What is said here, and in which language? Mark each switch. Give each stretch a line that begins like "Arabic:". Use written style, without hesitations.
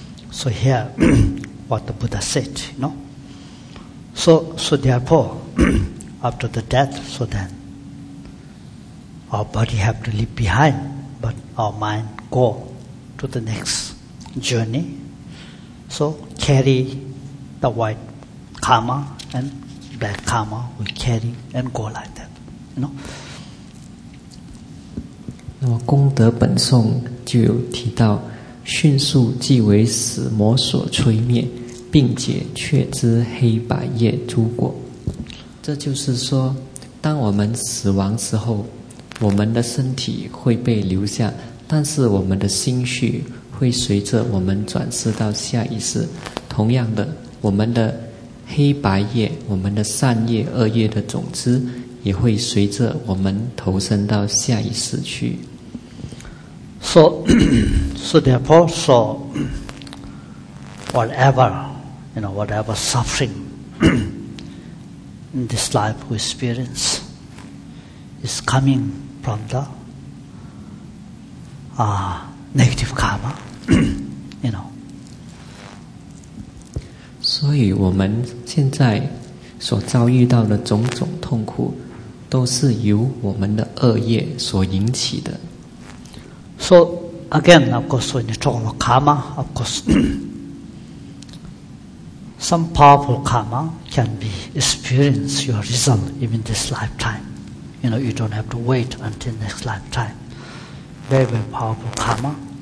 English: So here, what the Buddha said, you know. So therefore, after the death, so then our body have to leave behind, but our mind go to the next journey. So carry the white karma and black karma we carry and go like that, you know.
Chinese: 那么功德本颂就有提到，迅速即为死魔所摧灭，并且确知黑白业诸果。这就是说，当我们死亡之后，我们的身体会被留下，但是我们的心绪会随着我们转世到下一世。同样的，我们的黑白业，我们的善业恶业的种子也会随着我们投身到下一世去。
English: So therefore, so whatever, you know, whatever suffering in this life we experience is coming from the negative karma, you know.
Chinese: 所以我们现在所遭遇到的种种痛苦都是由我们的恶业所引起的。
English: So again, of course, when you talk about karma, of course, some powerful karma can be experience your result even this lifetime. You know, you don't have to wait until next lifetime. Very, very powerful karma.